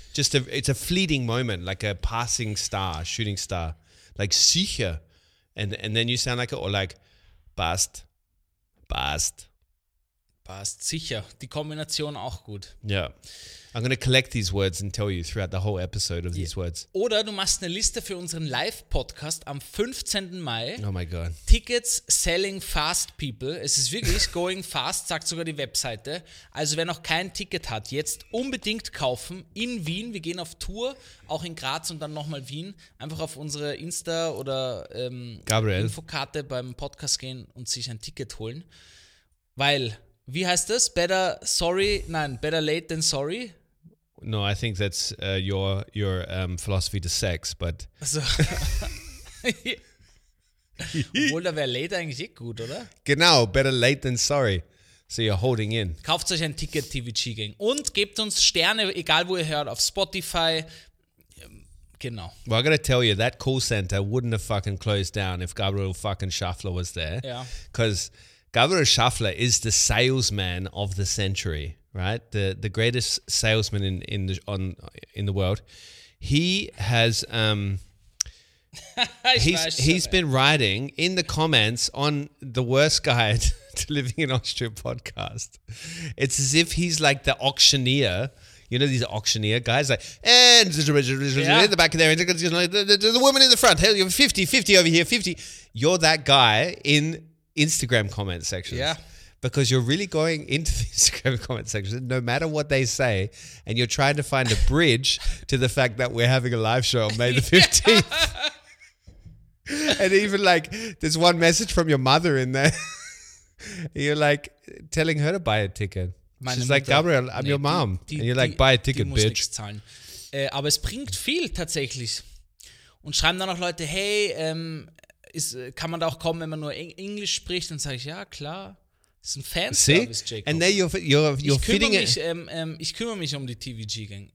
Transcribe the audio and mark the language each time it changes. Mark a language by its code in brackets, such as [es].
[en] It's a fleeting moment, like a passing star, shooting star. Like [de] sicher. [en] And then you sound like it, or like, [de] passt, passt. Passt, sicher. Die Kombination auch gut. [en] Yeah. I'm going to collect these words and tell you throughout the whole episode of these words. [de] Oder du machst eine Liste für unseren Live-Podcast am 15. Mai. [en] Oh my God. Tickets selling fast, people. [de] Es ist wirklich [en] going fast, [de] sagt sogar die Webseite. Also wer noch kein Ticket hat, jetzt unbedingt kaufen in Wien. Wir gehen auf Tour, auch in Graz und dann nochmal Wien. Einfach auf unsere Insta oder Gabriel. Infokarte beim Podcast gehen und sich ein Ticket holen. Weil... Wie heißt das? [en] Better sorry? [de] Nein, [en] better late than sorry? No, I think that's your philosophy to sex, but... [de] Also, obwohl, da wäre late eigentlich eh gut, oder? Genau, [en] better late than sorry. So you're holding in. [de] Kauft euch ein Ticket, TVG-Gang. Und gebt uns Sterne, egal wo ihr hört, auf Spotify. Genau. [en] Well, I gotta tell you, that call center wouldn't have fucking closed down if Gabriel fucking Schaffler was there. [de] Ja. [en] Because... Gabriel Schaffler is the salesman of the century, right? The greatest salesman in the world. He has he's been writing in the comments on the worst guide to living in Austria podcast. It's as if he's like the auctioneer. You know these auctioneer guys, like, in the back of there, the woman in the front, hey, you're 50 over here, 50. You're that guy in Instagram comment sections. Yeah. Because you're really going into the Instagram comment section, no matter what they say, and you're trying to find a bridge to the fact that we're having a live show on May the 15th. And even like, there's one message from your mother in there. You're like telling her to buy a ticket. [de] Meine [en] She's Mutter, like, Gabriel, I'm your mom. And you're like, buy a ticket, [de] die muss [en] bitch. [de] Nichts zahlen. Aber es bringt viel tatsächlich. Und schreiben dann auch Leute, hey, kann man da auch kommen, wenn man nur Englisch spricht? Dann sage ich, ja, klar. Das ist ein Fanservice, Jacob. [en] And now you're feeding [de] mich, ich kümmere mich um die TVG-Gang.